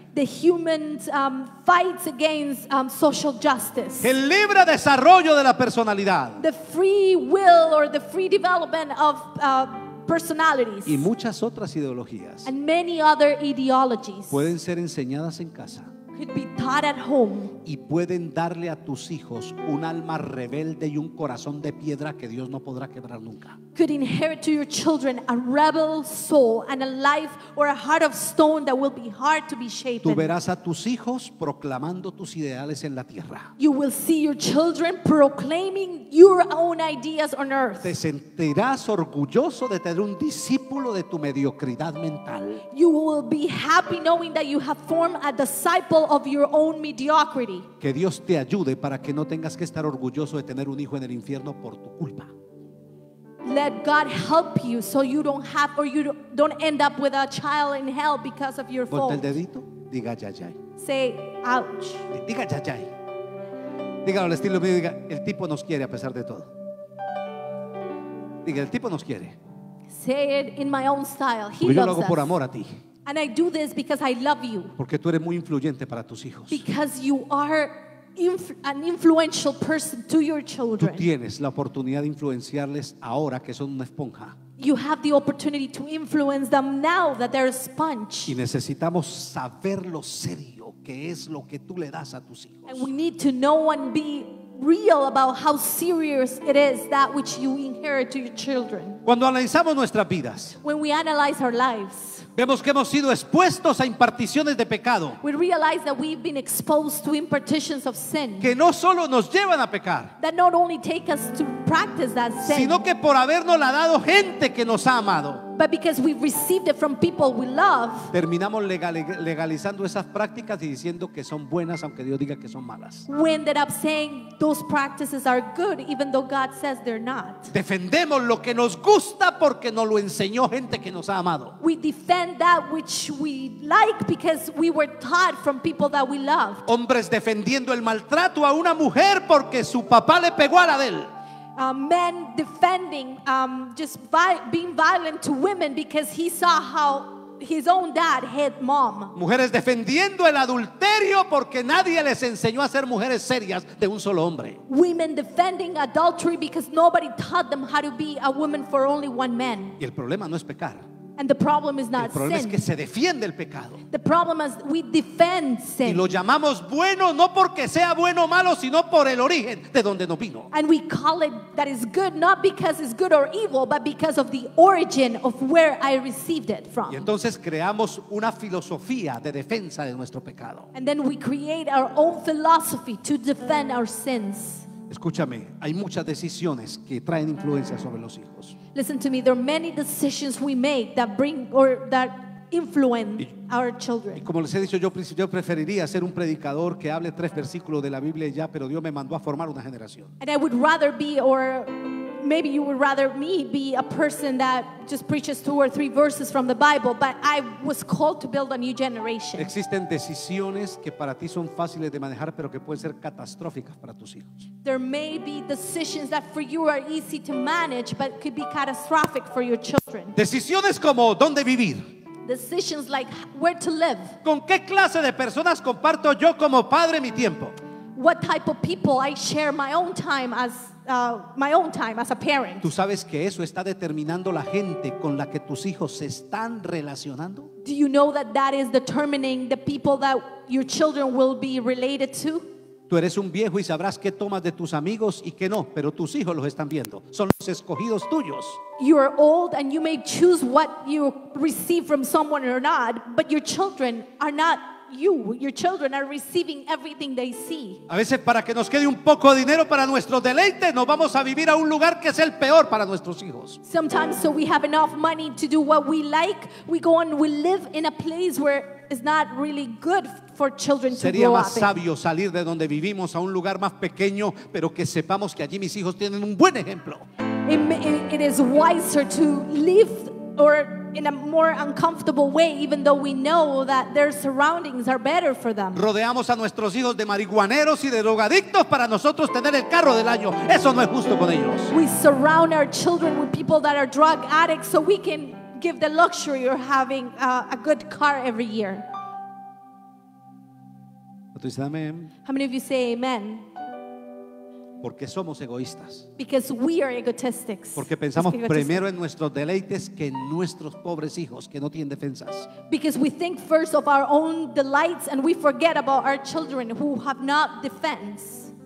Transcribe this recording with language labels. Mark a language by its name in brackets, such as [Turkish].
[English] The human fights against social justice. [Spanish] El libre desarrollo de la personalidad. [English] The free will or the free development of personalities. [Spanish] Y muchas otras ideologías. [English] And many other ideologies. [Spanish] Pueden ser enseñadas en casa. [English] Could be taught at home. [Spanish] Y pueden darle a tus hijos un alma rebelde y un corazón de piedra que Dios no podrá quebrar nunca. [English] Could inherit to your children a rebel soul and a life or a heart of stone that will be hard to be shaken. [Spanish] Tú verás a tus hijos proclamando tus ideales en la tierra. [English] You will see your children proclaiming your own ideas on earth. [Spanish] Te sentirás orgulloso de tener un discípulo de tu mediocridad mental. [English] You will be happy knowing that you have formed a disciple of your own mediocrity. [Spanish] Que Dios te ayude para que no tengas que estar orgulloso de tener un hijo en el infierno por tu culpa. [English] Let God help you so you don't have or you don't end up with a child in hell because of your fault. [Spanish] Ponte el dedito, diga ya ya. [English] Say ouch. [Spanish] Diga ya ya. Dígalo al estilo mío, diga, el tipo nos quiere a pesar de todo. Diga, el tipo nos quiere. [English] Say it in my own style. He loves us. [Spanish] Yo lo hago por amor a ti. [English] And I do this because I love you. [Spanish] Porque tú eres muy influyente para tus hijos. [English] Because you are an influential person to your children. [Spanish] Tú tienes la oportunidad de influenciarles ahora que son una esponja. [English] You have the opportunity to influence them now that they're a sponge. [Spanish] Y necesitamos saber lo serio que es lo que tú le das a tus hijos. [English] And we need to know and be real about how serious it is that which you inherit to your children. [Spanish] Cuando analizamos nuestras vidas, [English] when we analyze our lives, [Spanish] vemos que hemos sido expuestos a imparticiones de pecado. [English] We realize that we've been exposed to impartitions of sin. [Spanish] Que no solo nos llevan a pecar, [English] that not only take us to practice that sin, [Spanish] sino que por habernos la dado gente que nos ha amado. [English] But because we've received it from people we love, [Spanish] terminamos legalizando esas prácticas y diciendo que son buenas aunque Dios diga que son malas. [English] We ended up saying those practices are good even though God says they're not. [Spanish] Defendemos lo que nos gusta porque nos lo enseñó gente que nos ha amado. [English] We defend that which we like because we were taught from people that we love. [Spanish] Hombres defendiendo el maltrato a una mujer porque su papá le pegó a la de él. [English] Men defending being violent to women because he saw how his own dad hit mom. [Spanish] Mujeres defendiendo el adulterio porque nadie les enseñó a ser mujeres serias de un solo hombre. [English] Women defending adultery because nobody taught them how to be a woman for only one man. [Spanish] Y el problema no es pecar. [English] And the problem is not sin. [Spanish] El problema [English] sin. [Spanish] Es que se defiende el pecado. [English] The problem is we defend sin. [Spanish] Y lo llamamos bueno no porque sea bueno o malo, sino por el origen de donde nos vino. [English] And we call it that is good not because it's good or evil, but because of the origin of where I received it from. [Spanish] Y entonces creamos una filosofía de defensa de nuestro pecado. [English] And then we create our own philosophy to defend our sins. [Spanish] Escúchame, hay muchas decisiones que traen influencia sobre los hijos. [English] Listen to me, there are many decisions we make that bring or that influence our children. [Spanish] Y como les he dicho, yo preferiría ser un predicador que hable tres versículos de la Biblia ya, pero Dios me mandó a formar una generación. [English] And I would rather be, or maybe you would rather me be, a person that just preaches two or three verses from the Bible, but I was called to build a new generation. [Spanish] Existen decisiones que para ti son fáciles de manejar, pero que pueden ser catastróficas para tus hijos. [English] There may be decisions that for you are easy to manage, but could be catastrophic for your children. [Spanish] Decisiones como dónde vivir. [English] Decisions like where to live. [Spanish] ¿Con qué clase de personas comparto yo como padre mi tiempo? [English] What type of people I share my own time as a parent. [Spanish] ¿Tú sabes que eso está determinando la gente con la que tus hijos se están relacionando? [English] Do you know that that is determining the people that your children will be related to? [Spanish] Tú eres un viejo y sabrás qué tomas de tus amigos y qué no, pero tus hijos los están viendo. Son los escogidos tuyos. [English] You are old and you may choose what you receive from someone or not, but your children are not you, your children are receiving everything they see. [Spanish] A veces para que nos quede un poco de dinero para nuestro deleite, nos vamos a vivir a un lugar que es el peor para nuestros hijos. [English] Sometimes so we have enough money to do what we like, we go and we live in a place where it's not really good for children to [Spanish] sería [English] grow [Spanish] más [English] up [Spanish] sabio [English] in. [Spanish] Salir de donde vivimos a un lugar más pequeño, pero que sepamos que allí mis hijos tienen un buen ejemplo. [English] It is wiser to live or in a more uncomfortable way, even though we know that their surroundings are better for them. [Spanish] Rodeamos a nuestros hijos de marihuaneros y de drogadictos para nosotros tener el carro del año. Eso no es justo con ellos. [English] We surround our children with people that are drug addicts so we can give the luxury of having a good car every year. How many of you say amen? [Spanish] Porque somos egoístas. [English] Because we are egotistic. [Spanish] Porque pensamos primero en nuestros deleites que en nuestros pobres hijos que no tienen defensas. [English] Because we think first of our own delights and we forget about our children who have not defense.